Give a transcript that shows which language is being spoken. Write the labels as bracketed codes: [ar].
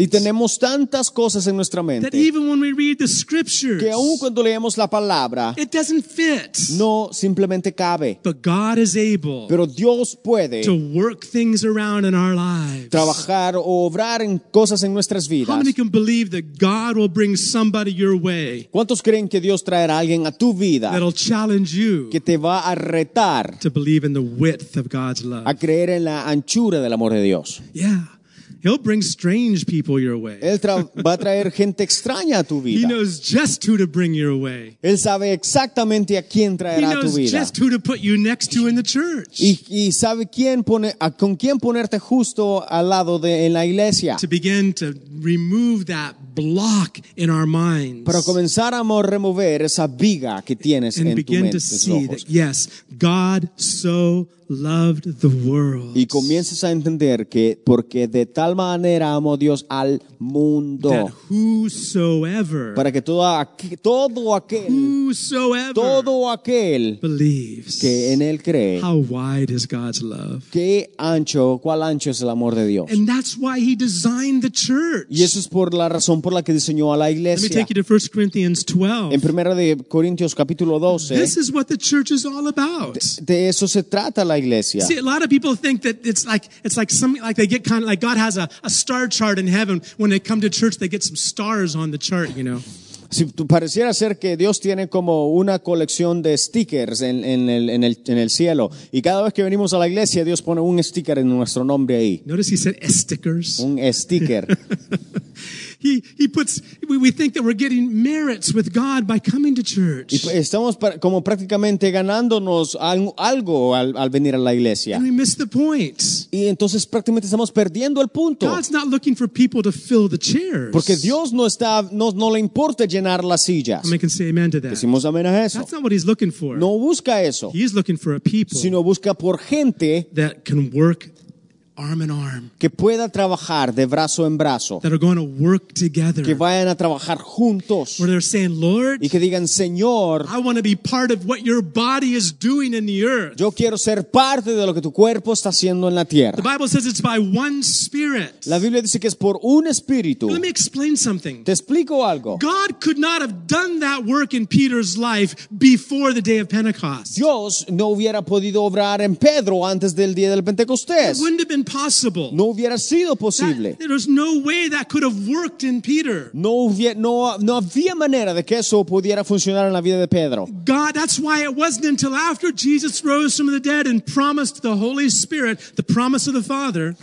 [es] Y tenemos tantas cosas en nuestra mente. [en] That even when we read the scriptures. [es] Que aun cuando leemos la palabra. [en] It doesn't fit. [es] No simplemente cabe. [en] But God is able. [es] Pero Dios puede. [en] To work things around in our lives. [es] Trabajar o obrar en cosas en nuestras vidas. [en] How many can believe that God will bring somebody your way? [es] ¿Cuántos creen que Dios traerá alguien a tu vida? [en] That'll challenge you. [es] Que te va a retar. [en] To believe in the width of God's love. [es] A creer en la anchura del amor de Dios. [en] Yeah. He'll bring strange people your way. [es] Él va a traer gente extraña a tu vida. [en] He knows just who to bring your way. [es] Él sabe exactamente a quién traerá tu vida. [en] He knows just who to put you next to in the church. [es] Y sabe con quién ponerte justo al lado de en la iglesia. [en] To begin to remove that block in our minds. [es] Para comenzar a remover esa viga que tienes en tu mente. [en] And begin to see that yes, God so loved the world. [es] Y comienzas a entender que porque de tal manera amó Dios al mundo. [en] That whosoever, [es] para que todo aquel [en] believes, [es] que en él cree. [en] How wide is God's love? [es] Qué ancho, cuál ancho es el amor de Dios. [en] And that's why he designed the church. [es] Y eso es por la razón por la que diseñó a la iglesia. [en] Let me take you to 1 Corinthians 12. [es] En 1 Corintios capítulo 12. [en] This is what the church is all about. [es] De eso se trata la iglesia. [en] See, a lot of people think that it's like something like they get kind of like God has a star chart in heaven. When they come to church, they get some stars on the chart, you know. [es] Si pareciera ser que Dios tiene como una colección de stickers en el cielo, y cada vez que venimos a la iglesia, Dios pone un sticker en nuestro nombre ahí. [en] Notice he said stickers. [es] Un sticker. [en] he puts, we think that we're getting merits with God by coming to church. [es] Estamos como prácticamente ganándonos algo al venir a la iglesia. [en] And we miss the point. [es] Y entonces prácticamente estamos perdiendo el punto. [en] God's not looking for people to fill the chairs. [es] Porque Dios no está, no le importa llenar las sillas. [en] And we can say amen to that. [es] Decimos amén a eso. [en] That's not what he's looking for. [es] No busca eso. [en] He is looking for a people. [es] Sino busca por gente [en] that can work arm in arm, [es] que pueda trabajar de brazo en brazo, [en] that are going to work together, [es] que vayan a trabajar juntos, [en] where they're saying, Lord, [es] y que digan, Señor, [en] I want to be part of what your body is doing in the earth. [es] Yo quiero ser parte de lo que tu cuerpo está haciendo en la tierra. [en] The Bible says it's by one spirit. [es] La Biblia dice que es por un espíritu. [en] Let me explain something. [es] Te explico algo. [en] God could not have done that work in Peter's life before the day of Pentecost. [es] Dios no hubiera podido obrar en Pedro antes del día del Pentecostés. [en] It wouldn't have been possible. [es] No hubiera sido posible. [en] That, there's no way that could have worked in Peter. [es] No había manera de que eso pudiera funcionar en la vida de Pedro. [en] God, that's why it wasn't until after Jesus rose from the dead and promised the Holy Spirit, the promise of the Father.